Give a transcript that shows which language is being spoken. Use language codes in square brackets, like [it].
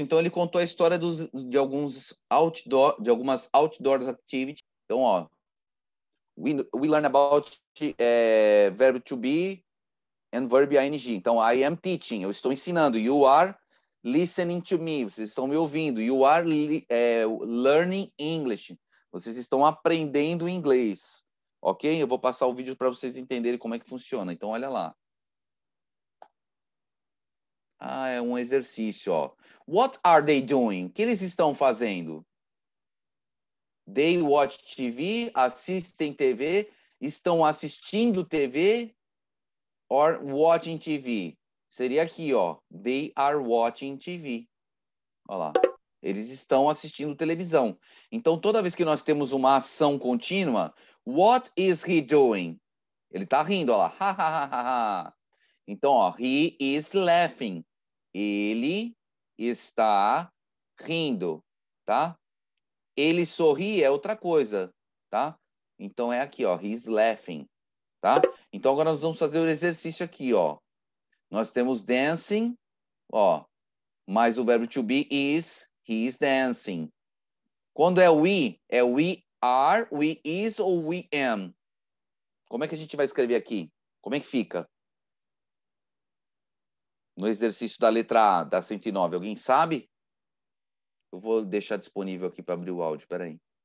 [pt] Então, ele contou a história de algumas outdoor activities. Então, ó. [en] We learn about verb to be and verb ing. [pt] Então, [en] I am teaching. [pt] Eu estou ensinando. [en] You are listening to me. [pt] Vocês estão me ouvindo. [en] You are learning English. [pt] Vocês estão aprendendo inglês. Ok? Eu vou passar o vídeo para vocês entenderem como é que funciona. Então, olha lá. Ah, é um exercício, ó. [en] What are they doing? [pt] O que eles estão fazendo? [en] They watch TV, [pt] assistem TV, estão assistindo TV [en] or watching TV? [pt] Seria aqui, ó. [en] They are watching TV. Olha lá. [pt] Eles estão assistindo televisão. Então, toda vez que nós temos uma ação contínua, [en] what is he doing? [pt] Ele tá rindo, olha lá. Ha, ha, ha, ha, ha. Então, ó. [en] He is laughing. [pt] Ele está rindo, tá? Ele sorri é outra coisa, tá? Então, é aqui, ó. [en] He's laughing, [pt] tá? Então, agora nós vamos fazer o exercício aqui, ó. Nós temos dancing, ó. Mais o verbo to be is, [en] he is dancing. [pt] Quando é [en] we are, we is ou we am? [pt] Como é que a gente vai escrever aqui? Como é que fica? No exercício da letra A, da 109, alguém sabe? Eu vou deixar disponível aqui para abrir o áudio, peraí.